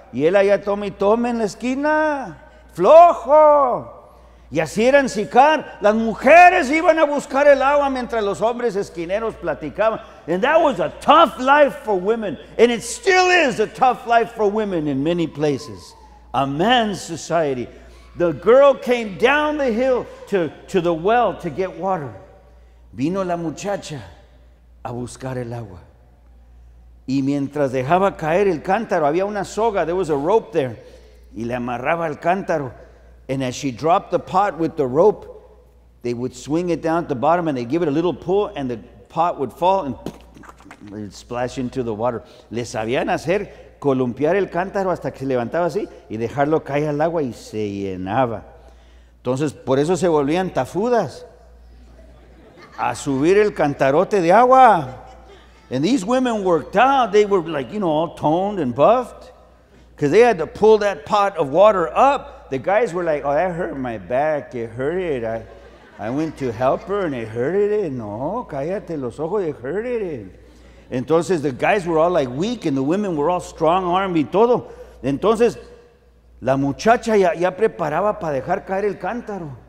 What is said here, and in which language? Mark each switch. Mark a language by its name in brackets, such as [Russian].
[Spanish] Y él allá toma y toma en la esquina. ¡Flojo! Y así era en Sicar. Las mujeres iban a buscar el agua mientras los hombres esquineros platicaban. [English] And that was a tough life for women. And it still is a tough life for women in many places. A man's society. The girl came down the hill to the well to get water. [Spanish] Vino la muchacha a buscar el agua. Y mientras dejaba caer el cántaro, había una soga, [English] there was a rope there, [Spanish] y le amarraba el cántaro. [English] And as she dropped the pot with the rope, they would swing it down at the bottom and they'd give it a little pull and the pot would fall and it'd splash into the water. [Spanish] Le sabían hacer columpiar el cántaro hasta que se levantaba así y dejarlo caer al agua y se llenaba. Entonces, por eso se volvían tafudas. A subir el cantarote de agua. [English] And these women worked out. They were like, you know, all toned and buffed. Because they had to pull that pot of water up. The guys were like, oh, that hurt my back. It hurt it. I went to help her and it hurt it. [Spanish] No, cállate los ojos, [English] it hurt it. [Spanish] Entonces, [English] the guys were all like weak and the women were all strong armed [Spanish] y todo. Entonces, la muchacha ya preparaba para dejar caer el cántaro.